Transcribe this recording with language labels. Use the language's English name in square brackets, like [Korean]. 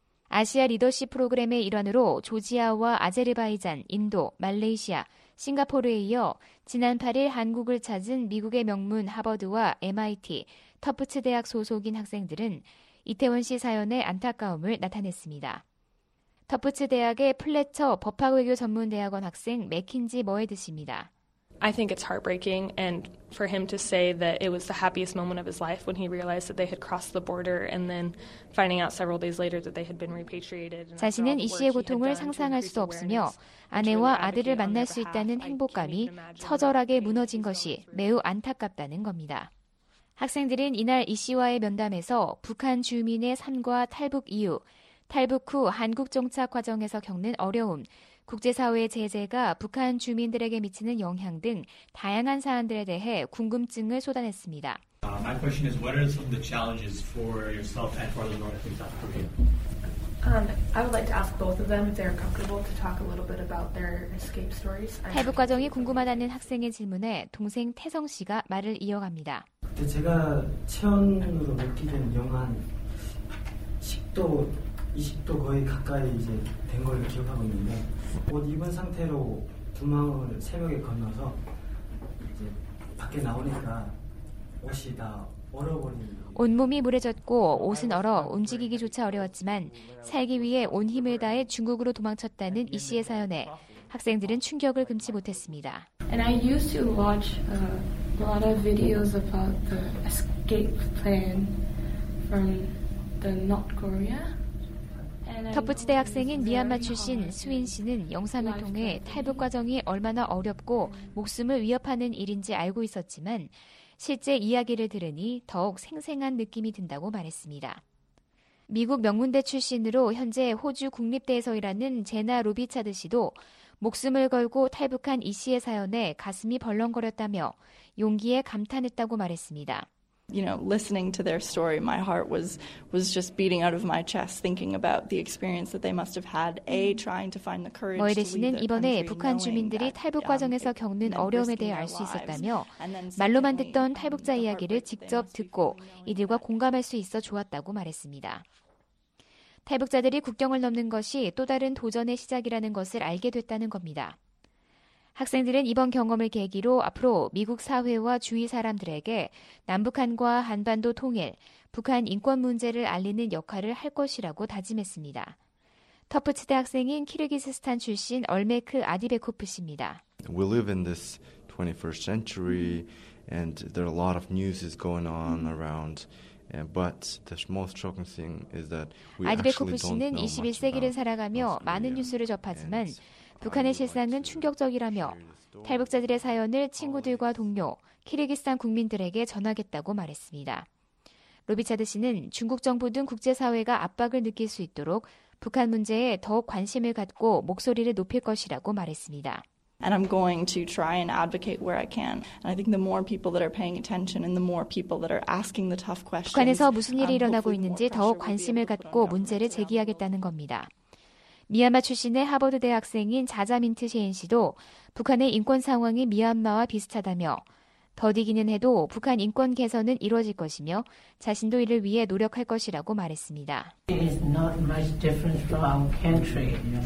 [Korean] 아시아 리더십 프로그램의 일환으로 조지아와 아제르바이잔, 인도, 말레이시아, 싱가포르에 이어 지난 8일 한국을 찾은 미국의 명문 하버드와 MIT, 터프츠 대학 소속인 학생들은 이태원 씨 사연의 안타까움을 나타냈습니다. 터프츠 대학의 플레처 법학외교 전문대학원 학생 맥킨지 머에드 씨입니다. [English] I think it's heartbreaking, and for him to say that it was the happiest moment of his life when he realized that they had crossed the border, and then finding out several days later that they had been repatriated. [Korean] 자신은 이 씨의 고통을 상상할 수도 없으며 아내와 아들을 만날 수 있다는 행복감이 처절하게 무너진 것이 매우 안타깝다는 겁니다. 학생들은 이날 이 씨와의 면담에서 북한 주민의 삶과 탈북 이유, 탈북 후 한국 정착 과정에서 겪는 어려움, 국제사회의 제재가 북한 주민들에게 미치는 영향 등 다양한 사안들에 대해 궁금증을 쏟아냈습니다. [English] My question is, what are some of the challenges for yourself and for the North and South Korea? I would like to ask both of them if they're comfortable to talk a little bit about their escape stories. [Korean] 탈북 과정이 궁금하다는 학생의 질문에 동생 태성 씨가 말을 이어갑니다. 그때 제가 체온으로 느끼는 영한 10도, 20도 거의 가까이 이제 된 걸 기억하고 있는데, 옷 입은 상태로 두망을 새벽에 건너서 이제 밖에 나오니까 옷이 다 얼어버린. 온몸이 물에 젖고 옷은 얼어 움직이기조차 어려웠지만 살기 위해 온 힘을 다해 중국으로 도망쳤다는 이 씨의 사연에 학생들은 충격을 금치 못했습니다. [English] And I used to watch a lot of videos about the escape plan from the North Korea. [Korean] 터프츠 대학생인 미얀마 출신 수인 씨는 영상을 통해 탈북 과정이 얼마나 어렵고 목숨을 위협하는 일인지 알고 있었지만 실제 이야기를 들으니 더욱 생생한 느낌이 든다고 말했습니다. 미국 명문대 출신으로 현재 호주 국립대에서 일하는 제나 로비차드 씨도 목숨을 걸고 탈북한 이 씨의 사연에 가슴이 벌렁거렸다며 용기에 감탄했다고 말했습니다. [English] You know, listening to their story, my heart was just beating out of my chest, thinking about the experience that they must have had. A trying to find the courage. [Korean] 머에드 씨는 이번에 북한 주민들이 탈북 과정에서 겪는 어려움에 대해 알 수 있었다며 말로만 듣던 탈북자 이야기를 직접 듣고 이들과 공감할 수 있어 좋았다고 말했습니다. 탈북자들이 국경을 넘는 것이 또 다른 도전의 시작이라는 것을 알게 됐다는 겁니다. 학생들은 이번 경험을 계기로 앞으로 미국 사회와 주위 사람들에게 남북한과 한반도 통일, 북한 인권 문제를 알리는 역할을 할 것이라고 다짐했습니다. 터프츠 대학생인 키르기스스탄 출신 얼메크 아디베코프 씨입니다. [English] We live in this 21st century and there are a lot of news is going on around. But the most shocking thing is that we actually don't know. [Korean] 아디베코프 씨는 21세기를 살아가며 많은 뉴스를 접하지만 북한의 실상은 충격적이라며 탈북자들의 사연을 친구들과 동료, 키르기스탄 국민들에게 전하겠다고 말했습니다. 로비차드 씨는 중국 정부 등 국제사회가 압박을 느낄 수 있도록 북한 문제에 더욱 관심을 갖고 목소리를 높일 것이라고 말했습니다. [English] And I'm going to try and advocate where I can. And I think the more people that are paying attention and the more people that are asking the tough questions. [Korean] 북한에서 무슨 일이 일어나고 있는지 더욱 관심을 갖고 문제를 제기하겠다는 겁니다. 미얀마 출신의 하버드 대학생인 자자민트 셰인 씨도 북한의 인권 상황이 미얀마와 비슷하다며 더디기는 해도 북한 인권 개선은 이루어질 것이며 자신도 이를 위해 노력할 것이라고 말했습니다. [English] It is not much different from our country.